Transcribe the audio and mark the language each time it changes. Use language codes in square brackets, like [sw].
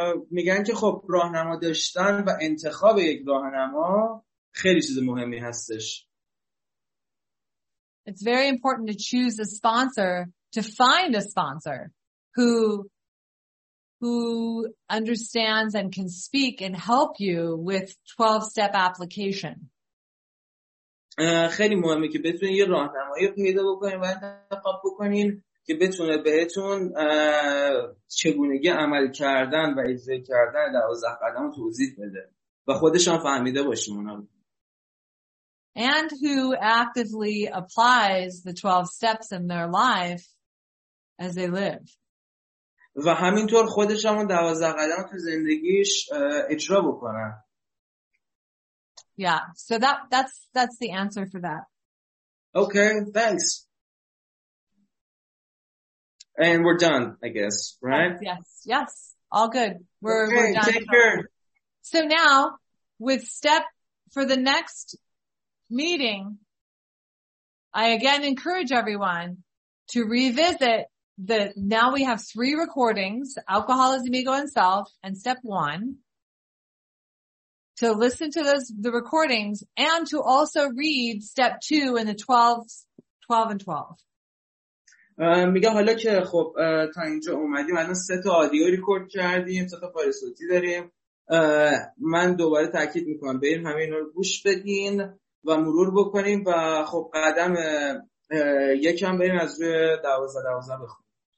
[fa] میگن که خب راهنما داشتن و انتخاب یک راهنما خیلی چیز مهمی هستش. [en] It's very important to choose a sponsor, to find a sponsor who understands and can speak and help you with 12-step application. [fa] خیلی مهمه که بتونین یه راهنمایی پیدا بکنین و انتخاب بکنین که بتونه بهتون چگونگی عمل کردن و اجرا کردن 12 قدم رو توضیح بده و خودشان فهمیده باشیم اونا. [en] And who actively applies the 12 steps in their life as they live. [fa] و همینطور خودشان 12 قدم تو زندگیش اجرا بکنن. [en] Yeah, so that's the answer for that. Okay, thanks. And we're done, I guess, right? Yes, all good. We're done. Take care. So now, with step for the next meeting, I again encourage everyone to revisit the, now we have three recordings, Alcoholism, Ego, and Self, and step one. To listen to the recordings and to also read step 2 in the 12 and 12. [fa] میگم حالا که خب تا اینجا اومدیم الان سه تا آدیو ریکورد کردیم، سه تا فایل صوتی داریم. من دوباره تاکید میکنم بریم همه اینا رو گوش بدین و مرور بکنیم و خب قدم یک هم بریم از روی 12 بخونیم.